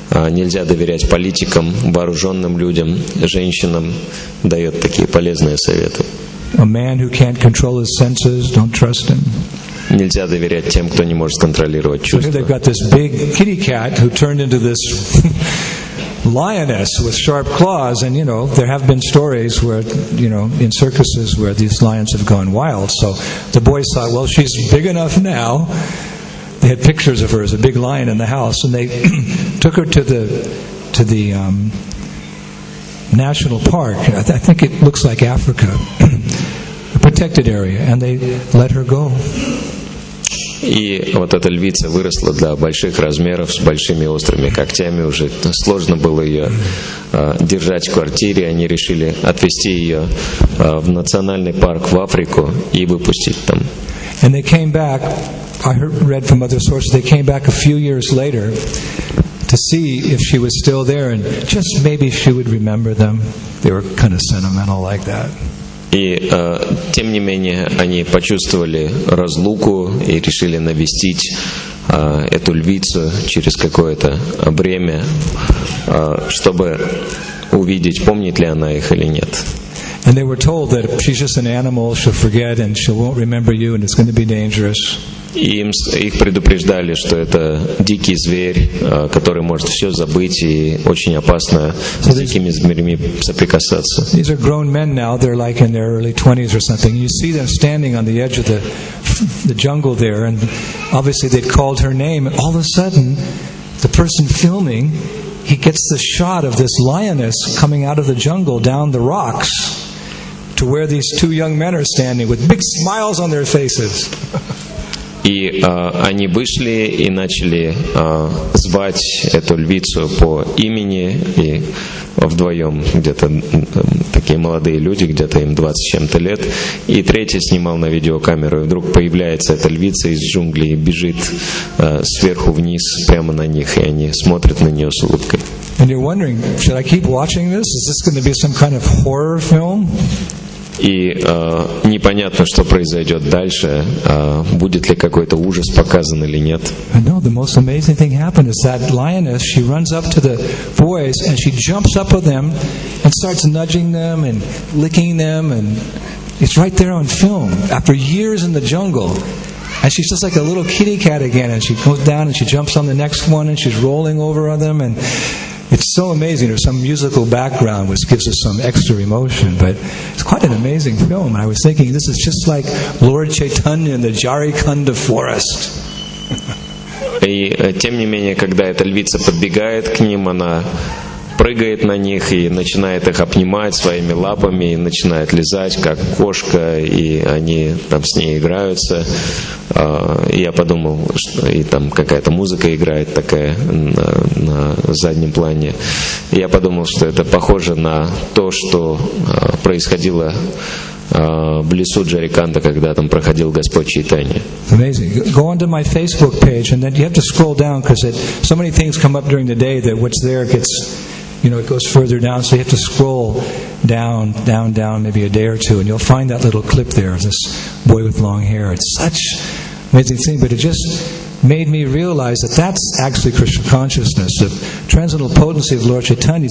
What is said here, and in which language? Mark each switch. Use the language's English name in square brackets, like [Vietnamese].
[Russian] Нельзя доверять политикам, вооруженным людям, женщинам. Дает такие полезные советы. [English] A man who can't control his senses, don't trust him. [Russian] Нельзя доверять тем, кто не может контролировать чувства. [English] So here they've got this big kitty cat who turned into this lioness with sharp claws, and you know, there have been stories where, you know, in circuses where these lions have gone wild. So the boys thought, well, she's big enough now. They had pictures of her as a big lion in the house, and they took her to the national park. I think it looks like Africa, a protected area, and they let her go. [Russian] И вот эта львица выросла до больших размеров, с большими острыми когтями. Уже сложно было ее держать в квартире. Они решили отвезти ее в национальный парк в Африку и выпустить там. [English] And they came back, I read from other sources, they came back a few years later to see if she was still there and just maybe she would remember them. They were kind of sentimental like that. [Russian] И, тем не менее, они почувствовали разлуку и решили навестить эту львицу через какое-то время, чтобы увидеть, помнит ли она их или нет. [English] And they were told that she's just an animal, she'll forget and she won't remember you and it's going to be dangerous. [Russian] И их предупреждали, что это дикий зверь, который может все забыть и очень опасно с дикими зверями соприкасаться. [English] These are grown men now, they're like in their early 20s or something. You see them standing on the edge of the jungle there and obviously they'd called her name and all of a sudden the person filming, he gets the shot of this lioness coming out of the jungle down the rocks to where these two young men are standing with big smiles on their faces. [Russian] И они вышли и начали звать эту львицу по имени, и вдвоем где-то такие молодые люди, где-то им 20 с чем-то лет, и третий снимал на видеокамеру, и вдруг появляется эта львица из джунглей и бежит сверху вниз прямо на них, и они смотрят на нее с улыбкой. [English] And you're wondering, should I keep watching this? Is this going to be some kind of horror film? [Russian] И непонятно, что произойдет дальше, будет ли какой-то ужас показан или нет. [English] No, the most amazing thing happened is that lioness, she runs up to the boys and she jumps up with them and starts nudging them and licking them, and it's right there on film after years in the jungle. And she's just like a little kitty cat again, and she goes down and she jumps on the next one and she's rolling over on them, and it's so amazing. There's some musical background which gives us some extra emotion, but it's quite an amazing film. And I was thinking, this is just like Lord Chaitanya in the Jharkhand forest. [Russian] И тем не менее, когда эта львица подбегает к ним, она прыгает на них и начинает их обнимать своими лапами, и начинает лизать, как кошка, и они там с ней играются. И я подумал, что и там какая-то музыка играет такая на заднем плане. И я подумал, что это похоже на то, что происходило в лесу Джариканда, когда там проходил Господь Чайтанья. [English] Amazing. Go onto my Facebook page, and then you have to scroll down, because so many things come up during the day that what's there gets... You know, it goes further down, so you have to scroll down, down, down, maybe a day or two, and you'll find that little clip there of this boy with long hair. It's such an amazing thing, but it just made me realize that that's actually Krishna consciousness, the transcendental potency of Lord Chaitanya.